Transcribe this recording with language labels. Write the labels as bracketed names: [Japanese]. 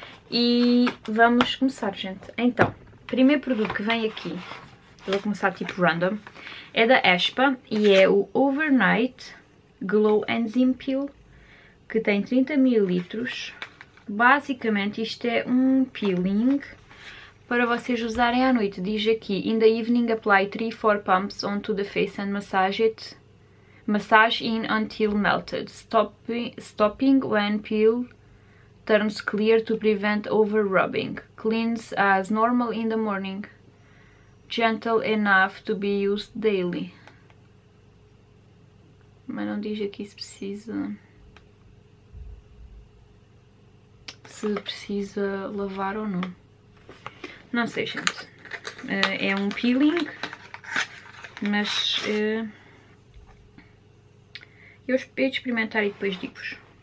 [Portuguese] E vamos começar, gente. Então, primeiro produto que vem aqui, eu vou começar tipo random, é da Aespa e é o Overnight Glow Enzyme Peel. Que tem 30 ml. Basicamente, isto é um peeling para vocês usarem à noite. Diz aqui: [English] In the evening, apply 3-4 pumps onto the face and massage it. Massage in until melted. Stopping when peel turns clear to prevent over rubbing. Cleans as normal in the morning. Gentle enough to be used daily. [Portuguese] Mas não diz aqui se precisa. Se precisa lavar ou não. Não sei, gente. É um peeling. Mas eu espero experimentar e depois digo-vos.